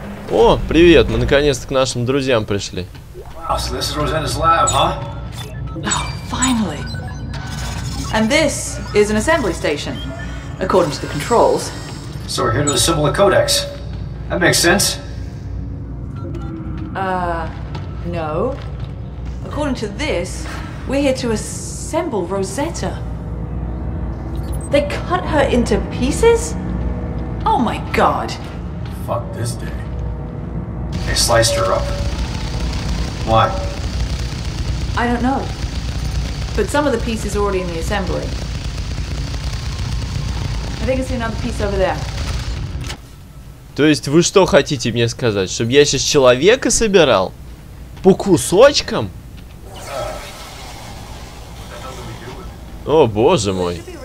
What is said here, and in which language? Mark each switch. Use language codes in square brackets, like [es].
[ru] О, привет, мы наконец-то к нашим друзьям пришли. [en] And this is an assembly station, according to the controls. So we're here to assemble a codex. That makes sense. No. According to this, we're here to assemble Rosetta. They cut her into pieces? Oh my god. Fuck this day. They sliced her up. Why? I don't know. But some of the pieces are already in the assembly. I think I see another piece over there. [ru] То есть вы что хотите мне сказать, чтобы я сейчас человека собирал по кусочкам? О боже мой!